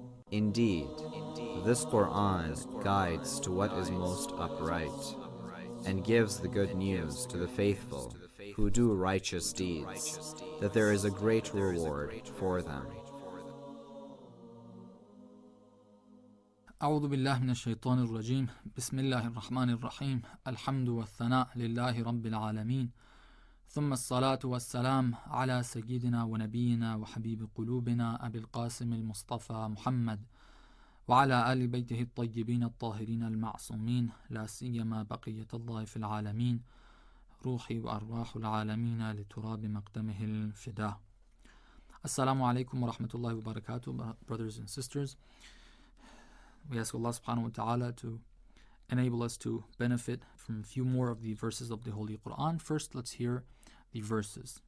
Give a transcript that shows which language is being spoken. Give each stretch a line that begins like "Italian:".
English: Indeed, this Quran guides to what is most upright and gives the good news to the faithful who do righteous deeds, that there is a great reward for them.
Arabic: أعوذ بالله من الشيطان الرجيم بسم الله الرحمن الرحيم الحمد والثناء لله رب العالمين ثم الصلاة والسلام على سيدنا ونبينا وحبيب قلوبنا أبي القاسم المصطفى محمد وعلى آل بيته الطيبين الطاهرين المعصومين لا سيما بقية الله في العالمين روحي وأرواح العالمين لتراب مقدمه الفداء السلام عليكم ورحمة الله وبركاته
English: brothers and sisters. We ask Allah subhanahu wa ta'ala to enable us to benefit from a few more of the verses of the Holy Quran. First, let's hear the verses.